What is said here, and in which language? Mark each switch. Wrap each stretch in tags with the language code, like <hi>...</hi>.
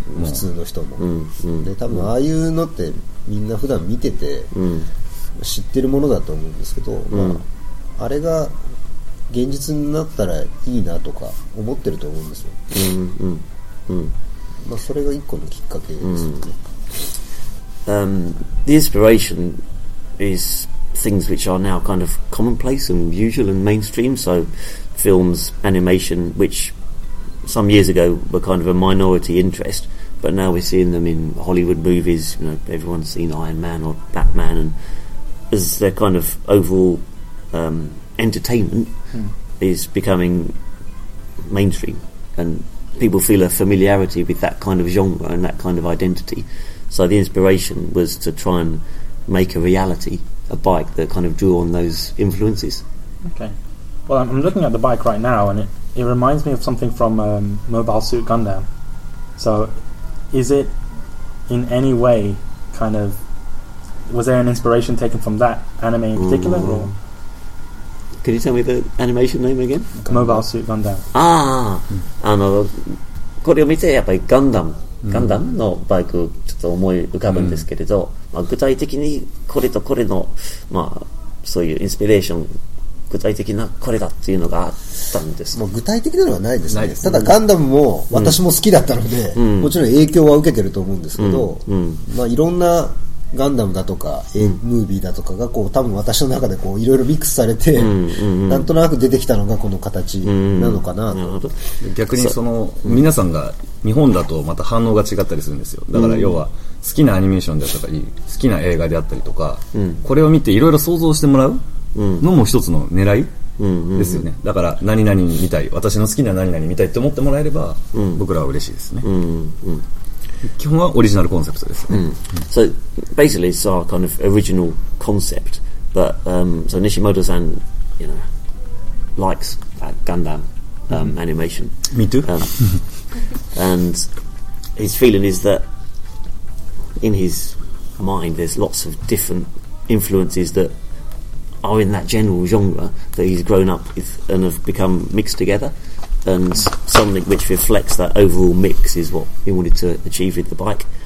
<ja>普通の人も、で多分ああいうのってみんな普段見てて、知ってるものだと思うんですけど、まあ、あれが現実になったらいいなとか思ってると思うんですよ、まあ、それが一個のきっかけですよね、</ja> <en>The inspiration is things which are now kind of commonplace and usual and mainstream, so films, animation, whichsome years ago were kind of a minority interest, but now we're seeing them in Hollywood movies. You know, everyone's seen Iron Man or Batman, and as their kind of overall entertainment is becoming mainstream, and people feel a familiarity with that kind of genre and that kind of identity. So the inspiration was to try and make a reality, a bike that kind of drew on those influences. Okay. Well, I'm looking at the bike right now, and it reminds me of something from Mobile Suit Gundam. So, is it in any way kind of... Was there an inspiration taken from that anime in particular? Or? Can you tell me the animation name again? Mobile Suit Gundam. Ah!</en> <ja>これを見てやっぱりガンダムのバイクをちょっと思い浮かぶんですけれど、まあ、具体的にこれとこれの、まあ、そういうインスピレーション具体的なこれだっていうのがあったんです。もう具体的なのはないですね。ないですね。ただガンダムも私も好きだったので、もちろん影響は受けてると思うんですけど、まあいろんなガンダムだとか、ムービーだとかがこう多分私の中でこういろいろミックスされて、なんとなく出てきたのがこの形なのかなと。逆にその皆さんが日本だとまた反応が違ったりするんですよ。だから要は好きなアニメーションであったり、好きな映画であったりとか、これを見ていろいろ想像してもらう。のも一つの狙いですよね。だから何々見たい、私の好きな何々見たいって思ってもらえれば、僕らは嬉しいですね。基本はオリジナルコンセプトですね。</ja> <en>So basically it's our kind of original concept, but so Nishimoto-san, you know, likes that Gundam animation. Me too. And his feeling is that in his mind there's lots of different influences that are in that general genre that he's grown up with and have become mixed together, and something which reflects that overall mix is what he wanted to achieve with the bike.</en>